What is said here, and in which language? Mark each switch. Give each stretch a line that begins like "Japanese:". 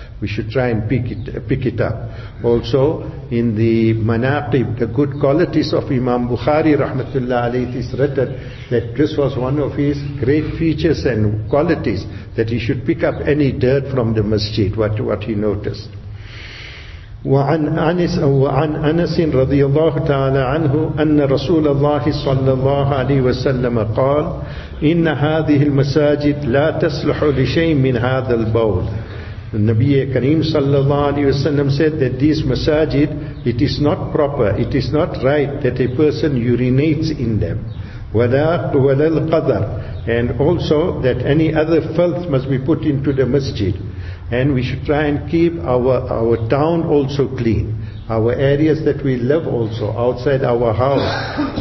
English: We should try and pick it up. Also, in the manaqib, the good qualities of Imam Bukhari, rahmatullah alayhi, is written that this was one of his great features and qualities, that he should pick up any dirt from the masjid, what he noticed.
Arabic: وعن أنس رضي الله تعالى عنه أن رسول الله صلى الله عليه وسلم قال إن هذه المساجد لا تصلح لشيء من هذا البول. النبي الكريم صلى الله عليه وسلم
English: said that these masajid, it is not proper, it is not right that a person urinates in them.
Arabic: ولا القذر,
English: and also that any other filth must be put into the masjid. And we should try and keep our town also clean, our areas that we live also, outside our house.